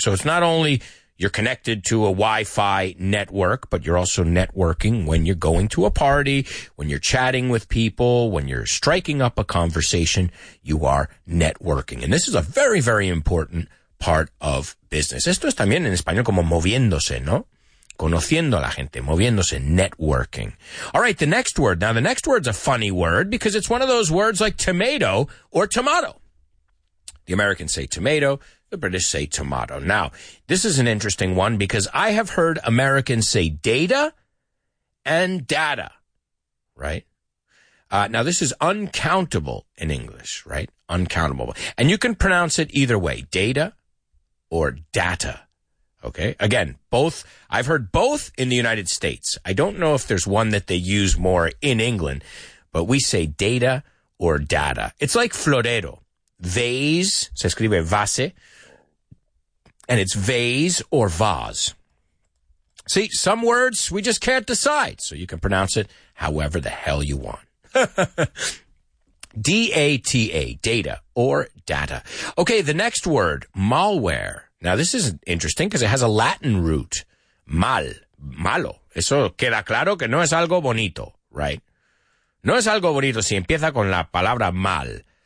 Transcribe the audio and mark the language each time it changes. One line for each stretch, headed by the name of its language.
English: So it's not only you're connected to a Wi-Fi network, but you're also networking when you're going to a party, when you're chatting with people, when you're striking up a conversation, you are networking. And this is a very, very important part of business.
Spanish: Esto es también en español como moviéndose, ¿no? Conociendo a la gente, moviéndose, networking.
English: All right, the next word. Now, the next word's a funny word because it's one of those words like tomato or tomato. The Americans say tomato, the British say tomato. Now, this is an interesting one because I have heard Americans say data and data, right? Now, this is uncountable in English, right? Uncountable. And you can pronounce it either way, data or data, okay? Again, both, I've heard both in the United States. I don't know if there's one that they use more in England, but we say data or data. It's like florero, vase,
Spanish: se escribe
English: vase, and it's vase or vase. See, some words we just can't decide, so you can pronounce it however the hell you want. D-A-T-A, data or data. Okay, the next word, malware. Now, this is interesting because it has a Latin root, mal, malo.
Spanish: Eso queda claro que no es algo bonito, right? No es algo bonito si empieza con la palabra mal.